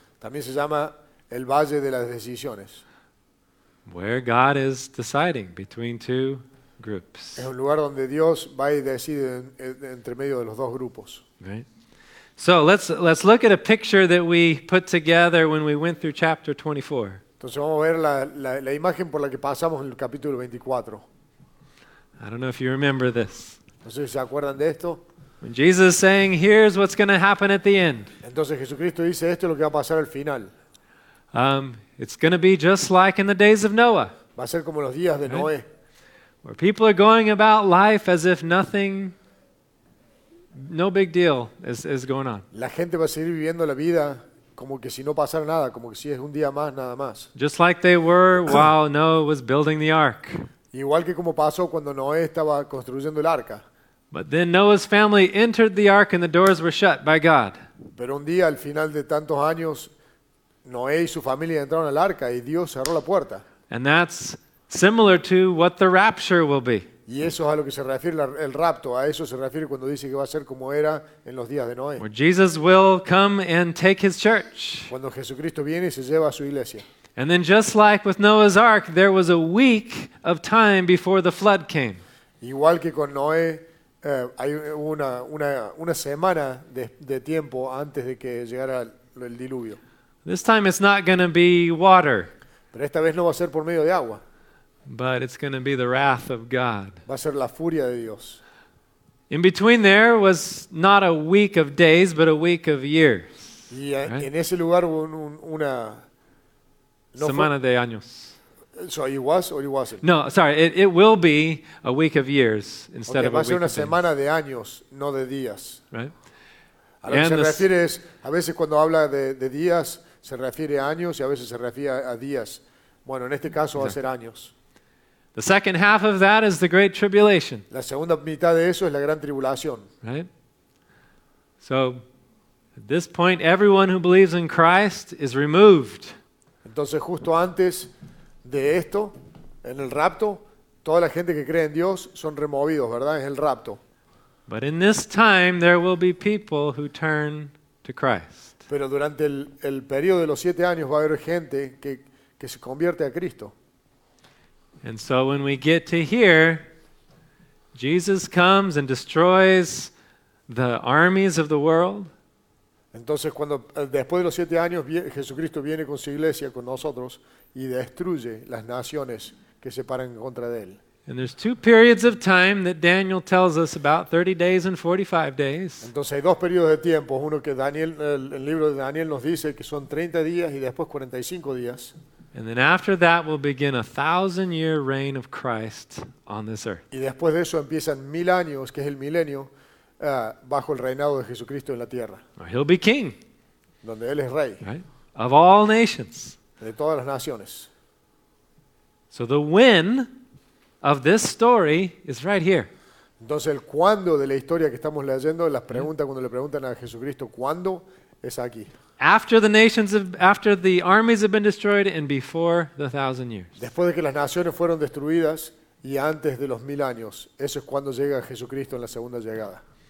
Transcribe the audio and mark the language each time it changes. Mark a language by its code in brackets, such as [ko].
[es] También se llama el Valle de las Decisiones. [en] Where God is deciding between two groups. [es] Es un lugar donde Dios va y decide entre medio de los dos grupos. [en] Right. So let's look at a picture that we put together when we went through chapter 24. [es] Entonces vamos a ver la imagen por la que pasamos en el capítulo 24. [en] I don't know if you remember this. [es] No sé si se acuerdan de esto. [en] When Jesus is saying, "Here's what's going to happen at the end." [es] Entonces Jesucristo dice, esto es lo que va a pasar al final. [en] It's going to be just like in the days of Noah. [es] Va a ser como los días de Noé. [en] Where people are going about life as if nothing, no big deal is going on. [es] La gente va a seguir viviendo la vida como que si no pasara nada, como que si es un día más, nada más. [en] Just like they were while Noah was building the ark. [es] Igual que como pasó cuando Noé estaba construyendo el arca. [en] But then Noah's family entered the ark and the doors were shut by God. [es] Pero un día, al final de tantos años, Noé y su familia entraron al arca y Dios cerró la puerta. [en] And that's similar to what the rapture will be. [es] Y eso es a lo que se refiere el rapto, a eso se refiere cuando dice que va a ser como era en los días de Noé. [en] Where Jesus will come and take his church. [es] Cuando Jesucristo viene y se lleva a su iglesia. [en] And then just like with Noah's ark, there was a week of time before the flood came. [es] Igual que con Noé, hay una semana de tiempo antes de que llegara el diluvio. [en] This time it's not going to be water. [es] Pero esta vez no va a ser por medio de agua. [en] But it's going to be the wrath of God. [es] Va a ser la furia de Dios. [en] In between there was not a week of days, but a week of years. [es] Y en ese lugar hubo una no semana de años. [en] So it was or it wasn't? No, sorry. It will be a week of years instead of a week. [es] Va a ser una semana de años, no de días. [en] Right. [es] A lo que se refiere es a veces cuando habla de días se refiere a años y a veces se refiere a días. Bueno, en este caso va a ser años. [en] The second half of that is the great tribulation. [es] La segunda mitad de eso es la gran tribulación. [en] Right? So, at this point, everyone who believes in Christ is removed. [es] Entonces, justo antes de esto, en el rapto, toda la gente que cree en Dios son removidos, ¿verdad? En el rapto. [en] But in this time, there will be people who turn to Christ. [es] Pero durante el periodo de los siete años va a haber gente que se convierte a Cristo. [en] And so when we get to here, Jesus comes and destroys the armies of the world. [es] Entonces cuando después de los siete años Jesucristo viene con su iglesia con nosotros y destruye las naciones que se paran en contra de él. [en] And there's two periods of time that Daniel tells us about, 30 days and 45 days. [es] Entonces hay dos periodos de tiempo, uno que Daniel el libro de Daniel nos dice que son 30 días y después 45 días. [en] And then after that will begin a 1,000-year reign of Christ on this earth. [es] Y después de eso empiezan mil años, que es el milenio, bajo el reinado de Jesucristo en la tierra. [en] He'll be king. [es] Donde él es rey. [en] Right? Of all nations. [es] De todas las naciones. [en] So the when of this story is right here. [es] Entonces el cuándo de la historia que estamos leyendo, las preguntas cuando le preguntan a Jesucristo cuándo, es aquí. [en] After the armies have been destroyed and before the 1,000 years. [es] Después de que las naciones fueron destruidas y antes de los mil años, eso es cuando llega Jesucristo en la segunda llegada.